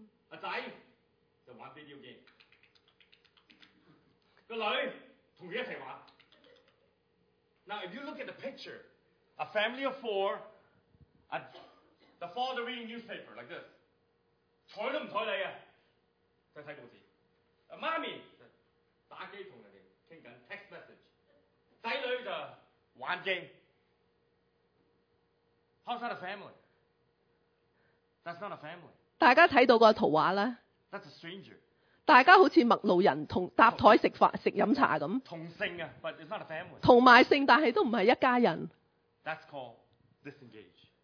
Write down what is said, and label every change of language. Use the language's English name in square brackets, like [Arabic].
[Cantonese] 阿仔就玩 video game， 个女同佢一齐玩。 [English] Now if you look at the picture， a family of four， the father reading newspaper like this， [Cantonese] 睬都唔睬你啊，在睇报纸。阿妈咪打机同人哋倾紧 text message， 仔女就玩 game。 [English] How's that a family？ That's not a family。 [Cantonese] 大家睇到個圖畫啦， [English] That's a stranger. [Cantonese] 大家好似陌路人同搭台食飯食飲茶咁，同性啊 [English] ，but it's not a family. [Cantonese] 同埋性，但係都唔係一家人。 [English] That's called disengage.